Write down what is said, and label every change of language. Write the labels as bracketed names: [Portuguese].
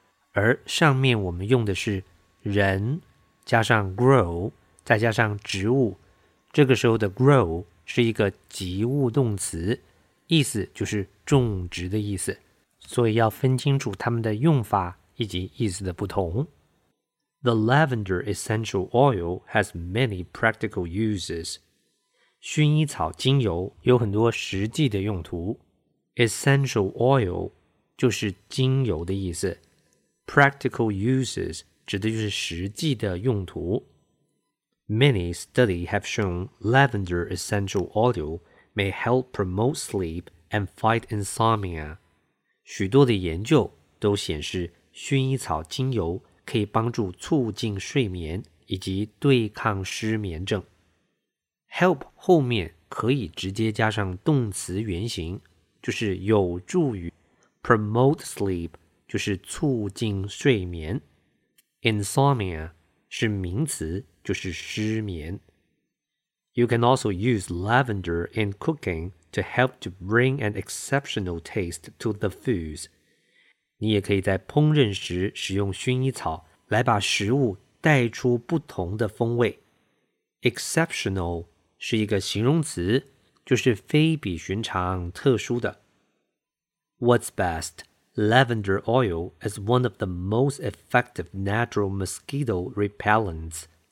[Chinese] 而上面我们用的是人加上 grow, 再加上植物，这个时候的 grow 是一个及物动词，意思就是种植的意思。所以要分清楚它们的用法以及意思的不同。 [English] The lavender essential oil has many practical uses. [Chinese] 薰衣草精油有很多实际的用途。 Essential oil 就是精油的意思。 [English] Practical uses [Chinese] 指的就是实际的用途。 [English] Many studies have shown lavender essential oil may help promote sleep and fight insomnia. [Chinese] 许多的研究都显示薰衣草精油可以帮助促进睡眠以及对抗失眠症。 Help 后面可以直接加上动词原形，就是有助于。 [English] Promote sleep [Chinese] 就是促进睡眠。 Insomnia 是名词，就是失眠。 [English] You can also use lavender in cooking to help to bring an exceptional taste to the foods. [Chinese] 你也可以在烹饪时使用薰衣草来把食物带出不同的风味。 Exceptional 是一个形容词，就是非比寻常、特殊的。 [English] What's best? Lavender oil is one of the most effective natural mosquito repellents.